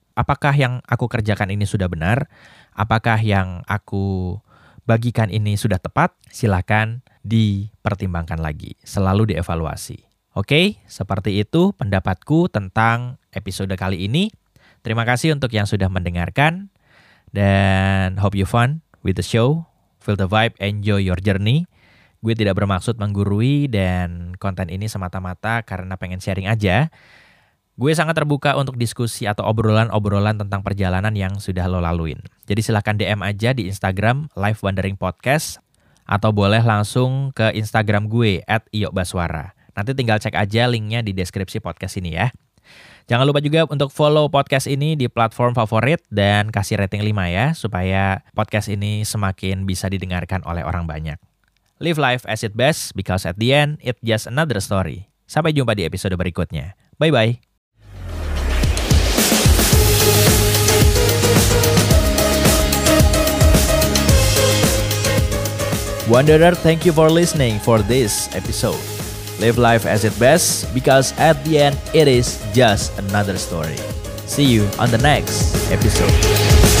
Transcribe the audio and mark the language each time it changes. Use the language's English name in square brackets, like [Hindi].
[Indonesian] Apakah yang aku kerjakan ini sudah benar? Apakah yang aku bagikan ini sudah tepat, silakan dipertimbangkan lagi, selalu dievaluasi. Oke, seperti itu pendapatku tentang episode kali ini. Terima kasih untuk yang sudah mendengarkan dan [English] hope you fun with the show. Feel the vibe, enjoy your journey. [Indonesian] Gue tidak bermaksud menggurui dan konten ini semata-mata karena pengen sharing aja. Gue sangat terbuka untuk diskusi atau obrolan-obrolan tentang perjalanan yang sudah lo laluin. Jadi silakan DM aja di Instagram Life Wandering Podcast atau boleh langsung ke Instagram gue @iyobaswara. Nanti tinggal cek aja linknya di deskripsi podcast ini ya. Jangan lupa juga untuk follow podcast ini di platform favorit dan kasih rating 5 ya supaya podcast ini semakin bisa didengarkan oleh orang banyak. [English] Live life as it best because at the end it's just another story. [Indonesian] Sampai jumpa di episode berikutnya. Bye-bye. [English] Wanderer, thank you for listening for this episode. Live life as it best, because at the end, it is just another story. See you on the next episode.